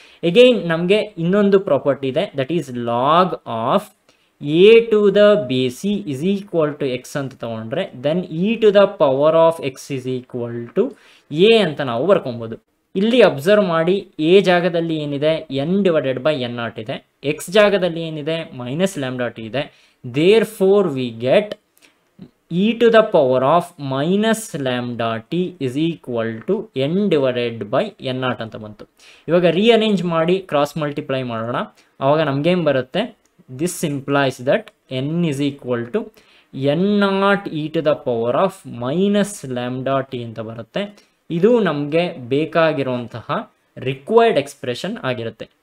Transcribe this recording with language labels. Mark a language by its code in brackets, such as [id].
[kn] Again ನಮಗೆ ಇನ್ನೊಂದು property ಇದೆ, [en] that is log of a to the base e is equal to x [kn] ಅಂತ ತೊಗೊಂಡ್ರೆ [en] then e to the power of x is equal to a [kn] ಅಂತ ನಾವು ಬರ್ಕೊಬೋದು. ಇಲ್ಲಿ ಅಬ್ಸರ್ವ್ ಮಾಡಿ, ಎ ಜಾಗದಲ್ಲಿ ಏನಿದೆ, N divided by N not ಇದೆ, ಎಕ್ಸ್ ಜಾಗದಲ್ಲಿ ಏನಿದೆ ಮೈನಸ್ ಲ್ಯಾಮ್ಡಾ ಟಿ ಇದೆ. [en] therefore we get e to the power of minus lambda t is equal to n divided by n naught [kn] ಅಂತ ಬಂತು. ಇವಾಗ ರೀಅರೇಂಜ್ ಮಾಡಿ ಕ್ರಾಸ್ ಮಲ್ಟಿಪ್ಲೈ ಮಾಡೋಣ, ಆವಾಗ ನಮಗೇನು ಬರುತ್ತೆ, [en] this implies that n is equal to n naught e to the power of minus lambda t [kn] ಅಂತ ಬರುತ್ತೆ. ಇದು ನಮಗೆ ಬೇಕಾಗಿರುವಂತಹ ರಿಕ್ವೈರ್ಡ್ ಎಕ್ಸ್ಪ್ರೆಷನ್ ಆಗಿರುತ್ತೆ.